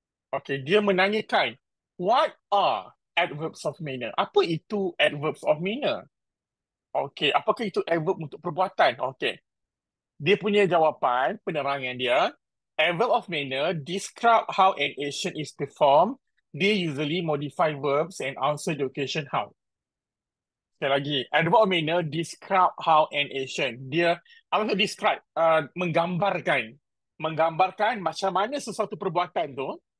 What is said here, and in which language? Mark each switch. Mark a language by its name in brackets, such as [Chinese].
[English] Okay, [Malay] dia menanyakan, [English] what are adverbs of manner? [Malay] Apa itu adverbs of manner? Okay, apakah itu adverb untuk perbuatan? Okay. Dia punya jawapan, penerangan dia. [English] Adverb of manner describe how an action is performed. They usually modify verbs and answer the question how. [Malay] Sekali lagi, [English] adverb of manner describe how an action. [Malay] Dia, apa tu describe? Menggambarkan. Menggambarkan macam mana sesuatu perbuatan tu.